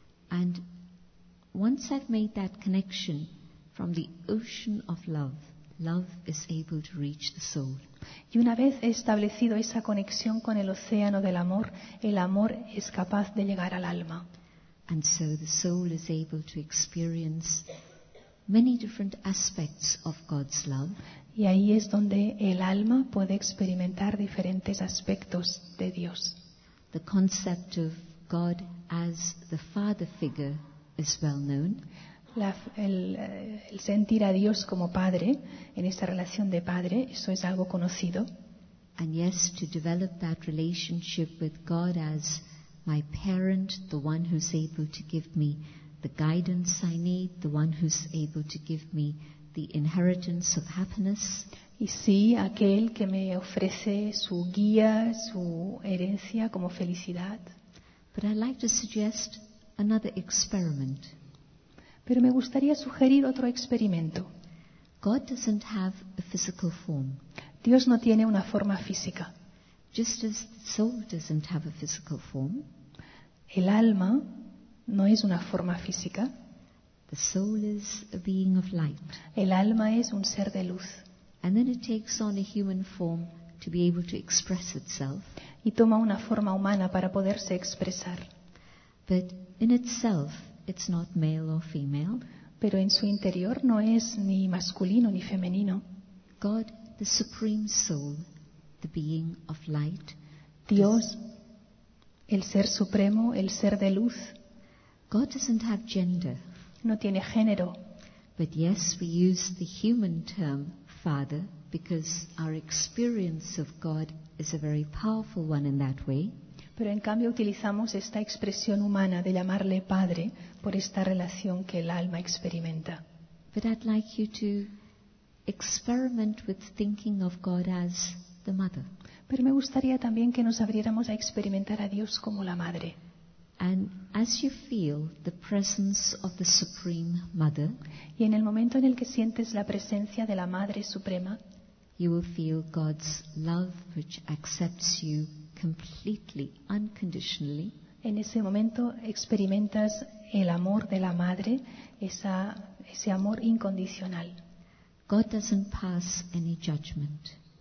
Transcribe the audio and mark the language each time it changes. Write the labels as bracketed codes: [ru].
[en] And once I've made that connection from the ocean of love, love is able to reach the soul. [es] Y una vez he establecido esa conexión con el océano del amor, el amor es capaz de llegar al alma. [en] And so the soul is able to experience many different aspects of God's love. [es] Y ahí es donde el alma puede experimentar diferentes aspectos de Dios. [en] The concept of God as the father figure is well known. [es] El sentir a Dios como padre, en esa relación de padre, eso es algo conocido. [en] And yes, to develop that relationship with God as my parent, the one who's able to give me the guidance I need, the one who's able to give me the inheritance of happiness. [es] Y sí, aquel que me ofrece su guía, su herencia como felicidad. [en] But I'd like to suggest another experiment. [es] Pero me gustaría sugerir otro experimento. [en] God doesn't have a physical form. [es] Dios no tiene una forma física. [en] Just as the soul doesn't have a physical form, [es] el alma no es una forma física. [en] The soul is a being of light. [es] El alma es un ser de luz. [en] And then it takes on a human form to be able to express itself. [es] Y toma una forma humana para poderse expresar. [en] But in itself, it's not male or female. [es] Pero en su interior no es ni masculino ni femenino. [en] God, the supreme soul, the being of light. [es] Dios, el ser supremo, el ser de luz. [en] God doesn't have gender. [es] No tiene género. [en] But yes, we use the human term father because our experience of God is a very powerful one in that way. [es] Pero en cambio utilizamos esta expresión humana de llamarle padre por esta relación que el alma experimenta. [en] But I'd like you to experiment with thinking of God as the mother. [es] Pero me gustaría también que nos abriéramos a experimentar a Dios como la madre. [en] And as you feel the presence of the Supreme Mother, [es] y en el momento en el que sientes la presencia de la Madre Suprema, [en] you will feel God's love which accepts you completely, unconditionally. [es] En ese momento experimentas el amor de la Madre, ese amor incondicional. [en] God doesn't pass any judgment.